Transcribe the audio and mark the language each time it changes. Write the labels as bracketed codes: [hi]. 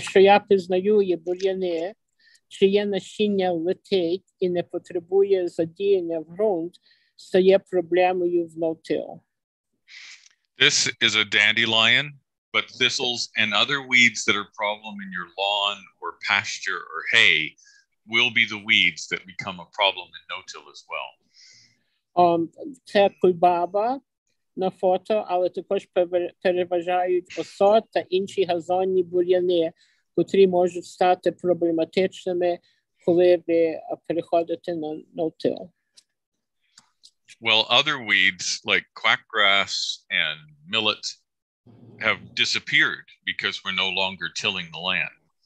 [uk] Що я пізнаю, є бур'яни, чиє насіння летить і не потребує задіяння в ґрунт, стає проблемою в no-till. [en] This is a dandelion, but thistles and other weeds that are a problem in your lawn or pasture or hay will be the weeds that become a problem in no-till as well. [uk] Це куйбаба на фото, але також переважають осот та інші газонні бур'яни, котрі можуть стати проблематичними, коли ви переходите на no-till. [en] Well, other weeds like quackgrass and millet have disappeared because we're no longer tilling the land.